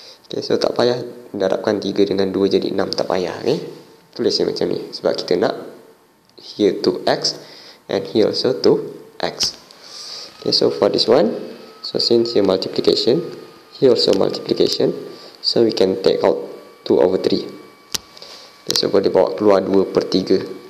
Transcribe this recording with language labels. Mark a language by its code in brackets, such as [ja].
[ms] Okay, so tak payah darabkan 3 dengan 2 jadi 6. Tak payah, okay? Tulis je macam ni. Sebab kita nak [en] here to x and here also to x. Okay, so for this one, so since here multiplication, here also multiplication, so we can take out 2 over 3. [ms] Okay, so boleh bawa keluar 2 per 3.